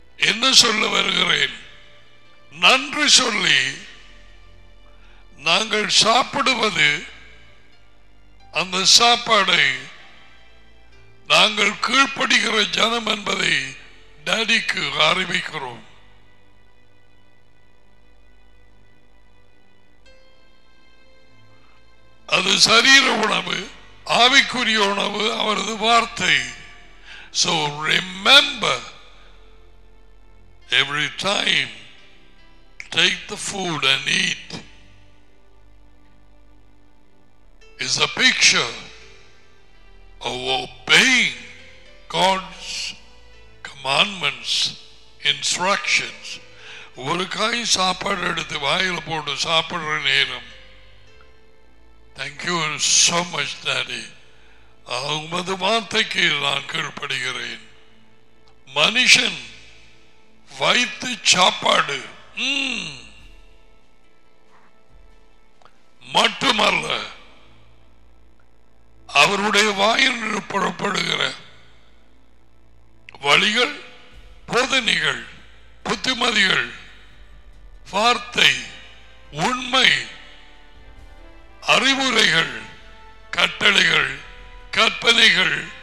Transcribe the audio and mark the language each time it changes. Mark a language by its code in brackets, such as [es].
[ta] என்ன சொல்ல வருகிறேன், நன்றி சொல்லி நாங்கள் சாப்பிடுவது அந்த சாப்பாடை நாங்கள் கீழ்ப்படுகிற ஜனம் என்பதை டாடிக்கு அறிவிக்கிறோம். அது சரீர உணவு, ஆவிக்குரிய உணவு, அவரது வார்த்தை. [en] So remember, every time, take the food and eat. is a picture of obeying God's commandments, instructions. [ta] ஒரு காய் சாப்பாடு எடுத்து வாயில் போட்டு சாப்பிட்ற நேரம் [en] thank you so much [ta] டாடி உமது வார்த்தைக்கு நான் கீழ்படுகிறேன். மனுஷன் வைத்து சாப்பாடு மட்டுமல்ல அவருடைய வாயில் புறப்படுகிற வழிகள், போதனைகள், புத்திமதிகள், வார்த்தை, உண்மை, அறிவுரைகள், கட்டளைகள், கற்பனைகள்,